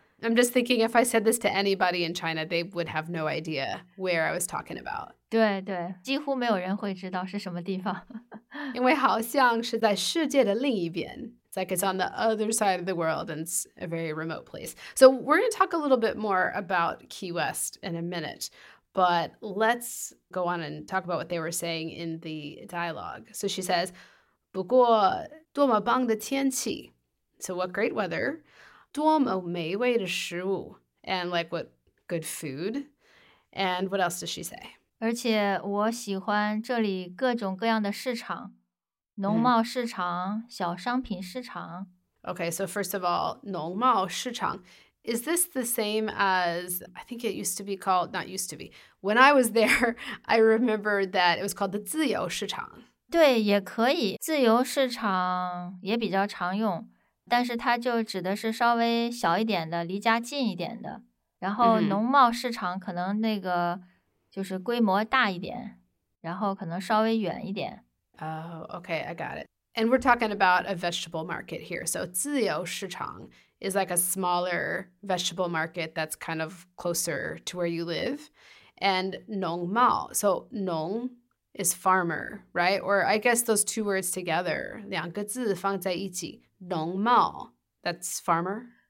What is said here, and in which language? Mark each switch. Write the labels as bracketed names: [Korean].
[English] I'm just thinking if I said this to anybody in China, they would have no idea where I was talking about. [Chinese] 对对，几乎没有人会知道是什么地方。因为好像是在世界的另一边。 [English] It's like it's on the other side of the world and it's a very remote place. So we're going to talk a little bit more about Key West in a minute, but let's go on and talk about what they were saying in the dialogue. So she says, [Chinese] 不过多么棒的天气。 [English] So what great weather. [Chinese] 多么美味的食物 [English] and like what good food and what else does she say? [Chinese] 而且我喜欢这里各种各样的市场农贸市场、mm. 小商品市场 [English] Okay, so first of all, 农贸市场 is this the same as, I think it used to be called, not used to be, when I was there, I remember that it was called the 自由市场 [Chinese] 对也可以自由市场也比较常用但是它就指的是稍微小一点的离家近一点的然后农贸市场可能那个就是规模大一点然后可能稍微远一点 [English] Oh, okay, I got it. And we're talking about a vegetable market here. So 自由市场 is like a smaller vegetable market that's kind of closer to where you live. And 农贸 so 农 is farmer, right? Or I guess those two words together, [Chinese] 两个字放在一起 [English] 农贸 that's farmer?